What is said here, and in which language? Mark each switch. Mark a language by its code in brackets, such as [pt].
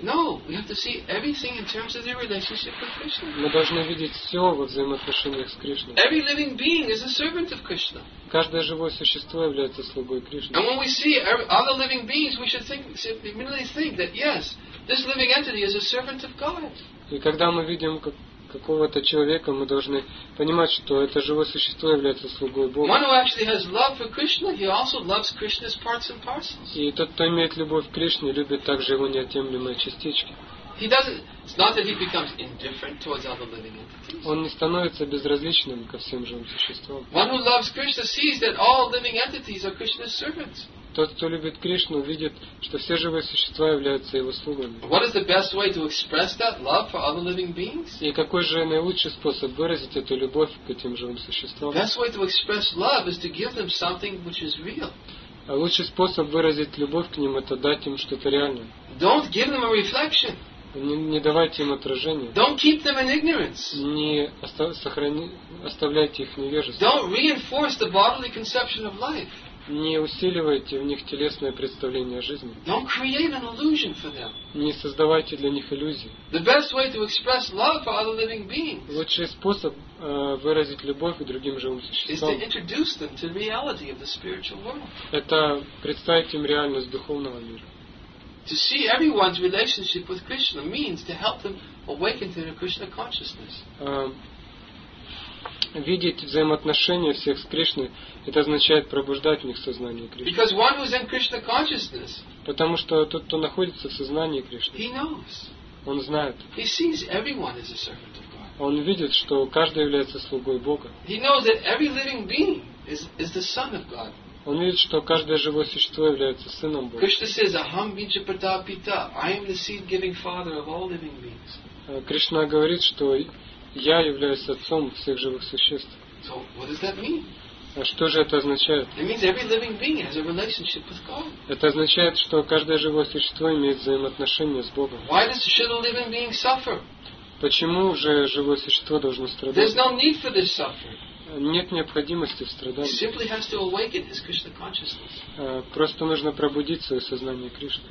[en] No, we have to see everything in terms of their relationship with Krishna. [ru] Мы должны видеть все во взаимоотношениях с Кришной. [en] Every living being is a servant of Krishna. [ru] Каждое живое существо является слугой Кришны. [en] And when we see other living beings, we should immediately think that yes, this living entity is a servant of God. [ru] И когда мы видим какого-то человека, мы должны понимать, что это живое существо является слугой Бога. [en] One who actually has love for Krishna, he also loves Krishna's parts and parcels. [ru] И тот, кто имеет любовь к Кришне, любит также его неотъемлемые частички. [en] He doesn't. It's not that he becomes indifferent towards other living entities. [ru] Он не становится безразличным ко всем живым существам. [en] One who loves Krishna sees that all living entities are Krishna's servants. [ru] Тот, кто любит Кришну, видит, что все живые существа являются его слугами. [en] What is the best way to express that love for other living beings? [ru] И какой же наилучший способ выразить эту любовь к этим живым существам? [en] The best way to express love is to give them something which is real. [ru] А лучший способ выразить любовь к ним – это дать им что-то реальное. [en] Don't give them a reflection. [ru] Не давайте им отражение. [en] Don't keep them in ignorance. [ru] Не оставляйте их в невежестве. [en] Don't reinforce the bodily conception of life. [ru] Не усиливайте в них телесное представление о жизни. [en] Don't create an illusion for them. [ru] Не создавайте для них иллюзии. [en] The best way to express love for other living beings. [ru] Лучший способ выразить любовь к другим живым существам. [en] Is to introduce them to the reality of the spiritual world. [ru] Это представить им реальность духовного мира. [en] To see everyone's relationship with Krishna means to help them awaken to their Krishna consciousness. [ru] Видеть взаимоотношения всех с Кришной, это означает пробуждать в них сознание Кришны. [en] Because one who's in Krishna consciousness, [ru] потому что тот, кто находится в сознании Кришны, [en] he knows. [ru] Он знает. [en] He sees everyone as a servant of God. [ru] Он видит, что каждый является слугой Бога. [en] He knows that every living being is the son of God. [ru] Он видит, что каждое живое существо является сыном Бога. [en] Krishna says, [sa] "Aham bija prada pita. [en] I am the seed-giving father of all living beings." [ru] Кришна говорит, что я являюсь отцом всех живых существ. [en] So, what does that mean? [ru] А что же это означает? [en] It means every living being has a relationship with God. [ru] Это означает, что каждое живое существо имеет взаимоотношение с Богом. [en] Why should a living being suffer? [ru] Почему же живое существо должно страдать? [en] There's no need for this suffering. [ru] Нет необходимости в страдании. [en] He simply has to awaken his Krishna consciousness. [ru] Просто нужно пробудить свое сознание Кришны.